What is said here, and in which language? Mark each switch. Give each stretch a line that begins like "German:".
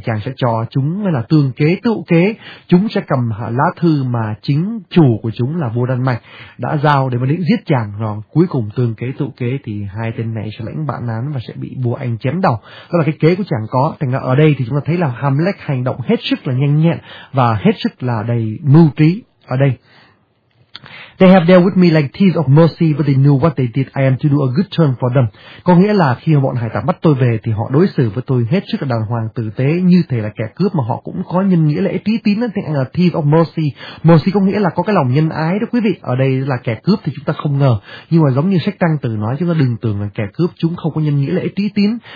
Vietnamese: Chàng sẽ cho chúng là tương kế tựu kế, chúng sẽ cầm lá thư mà chính chủ của chúng là vua Đan Mạch đã giao để mà định giết chàng. Rồi cuối cùng tương kế tựu kế thì hai tên này sẽ lãnh bản án và sẽ bị vua Anh chém đầu. Đó là cái kế của chàng có. Thành ra ở đây thì chúng ta thấy là Hamlet hành động hết sức là nhanh nhẹn và hết sức là đầy mưu trí ở đây.
English: They have dealt with me like thieves of mercy, but they knew what they did. I am to do a good turn for them.
Vietnamese: Có nghĩa là khi bọn hải tặc bắt tôi về thì họ đối xử với tôi hết sức là đàng hoàng, tử tế, như thể là kẻ cướp, mà họ cũng có nhân nghĩa lễ trí tín. Tiếng Anh là thief of mercy. Mercy có nghĩa là có cái lòng nhân ái đó quý vị. Ở đây là kẻ cướp thì chúng ta không ngờ, nhưng mà giống như sách Trăng Tử nói, chúng ta đừng tưởng là kẻ cướp chúng không có nhân nghĩa lễ trí tín.